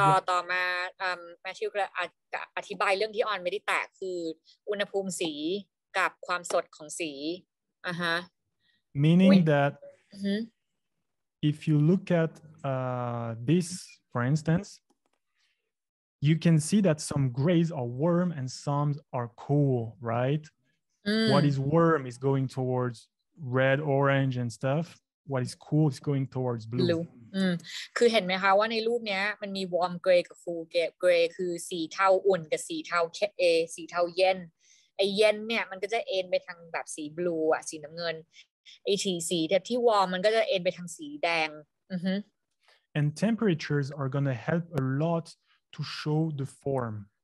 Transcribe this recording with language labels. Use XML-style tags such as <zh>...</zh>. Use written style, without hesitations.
<th>ต่อมาMatthew อธิบายเรื่องที่ออนไม่ได้แตะคืออุณหภูมิสีกับความสดของสี</th> <en>Meaning that if you look at this, for instance, you can see that some grays are warm and some are cool, right? What is warm is going towards red, orange, and stuff. What is cool is going towards blue.</en> <th>คือเห็นไหมคะว่าในรูปเนี้ยมันมี warm gray กับ cool gray. Gray คือสีเทาอุ่นกับสีเทาแค่เอสีเทาเย็นไอเย็นเนี่ยมันก็จะเอ็นไปทางแบบสีบลูอ่ะสีน้ำเงินไอสีแต่ที่ warm มันก็จะเอ็นไปทางสีแดง</th> <en>And temperatures are gonna help a lot to show the form.</en>